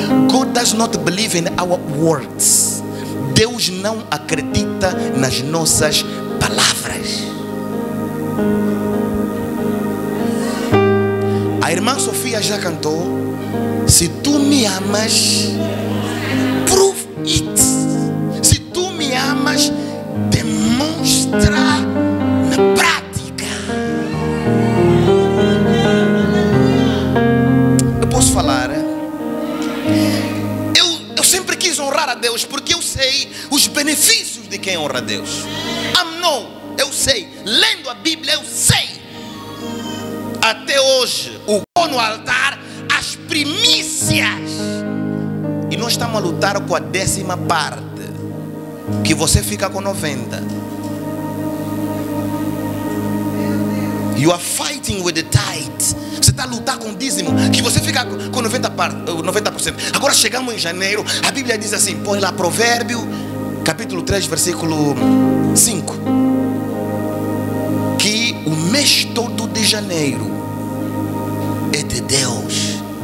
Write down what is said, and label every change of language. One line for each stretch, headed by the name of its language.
English: God does not believe in our words.
Portuguese: Deus não acredita nas nossas palavras. A irmã Sofia já cantou: se tu me amas,
English: prove it.
Portuguese: Se tu me amas, demonstra na prática. Eu posso falar? Eu sempre quis honrar a Deus, porque eu sei os benefícios de quem honra a Deus. Amnon, eu sei. Lendo a Bíblia, eu sei. Até hoje, o pão no altar, as primícias. E nós estamos a lutar com a décima parte, que você fica com 90.
English: You are fighting with the tithe.
Portuguese: Você está a lutar com o dízimo, que você fica com 90%. Agora chegamos em janeiro, a Bíblia diz assim, põe lá Provérbio, capítulo 3, versículo 5. Que o mês todo de janeiro é de Deus.